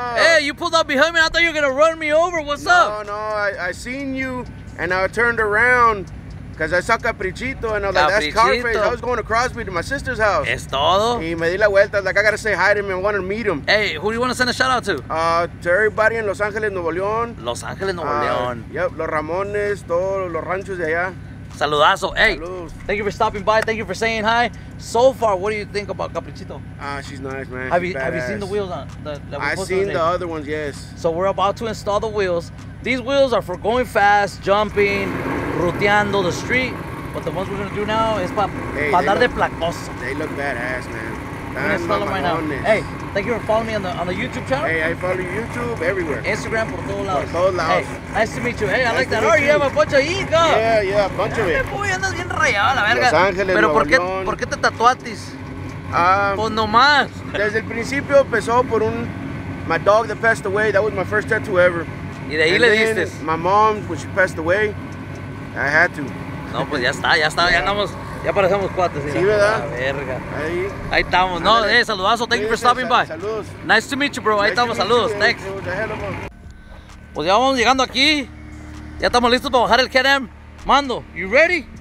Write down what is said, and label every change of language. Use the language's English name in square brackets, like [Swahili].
[English] Hey, you pulled up behind me. I thought you were gonna run me over. What's no, up? No, no, I seen you and I turned around. Cause I saw Caprichito and I was like, that's Carface. I was going to Crosby to my sister's house. [Spanish] Es todo. Y me di la vuelta. [English] Like, I gotta say hi to him. I wanted to meet him. Hey, who do you want to send a shout out to? To everybody in Los Angeles, Nuevo León. Los Angeles, Nuevo León. [Spanish] Yep, Los Ramones, todos los ranchos de allá. Saludazo. [English] Hey, [Spanish] saludos. [English] Thank you for stopping by. Thank you for saying hi. So far, what do you think about Caprichito? She's nice, man. Have you seen the wheels on? I've seen the other ones, yes. So we're about to install the wheels. These wheels are for going fast, jumping, ruteando the street. But the ones we're going to do now is [Spanish] pa andar de placoso. [English] They look badass, man. I'm going to install them right now. Hey, thank you for following me on the YouTube channel. Hey, I follow YouTube everywhere. [Spanish] Instagram, por todos lados. Por todos lados. [English] Hey, nice to meet you. Hey, I like that. Oh, you have a bunch of ego. Yeah, a bunch of it. [Spanish] Boy, andas bien rayado, la verga. Los Ángeles, pero Nuevo León. Pero ¿por qué te tatuatis? Pues nomás. Desde el principio empezó por un... [English] My dog that passed away. That was my first tattoo ever. [Spanish] Y de ahí [English] and [Spanish] le diste. [English] My mom, when she passed away, I had to. [Spanish] No, pues ya está, yeah. Ya andamos, ya parecemos cuates. Sí, ¿verdad? La verga. Ahí [English] estamos. No, hey, saludazo, thank you for stopping by. [Spanish] Saludos. [English] Nice to meet you, bro. [Spanish] Ahí estamos, saludos. Thanks. Pues ya vamos llegando aquí. Ya estamos listos para bajar el Can-Am. Mando, [English] you ready?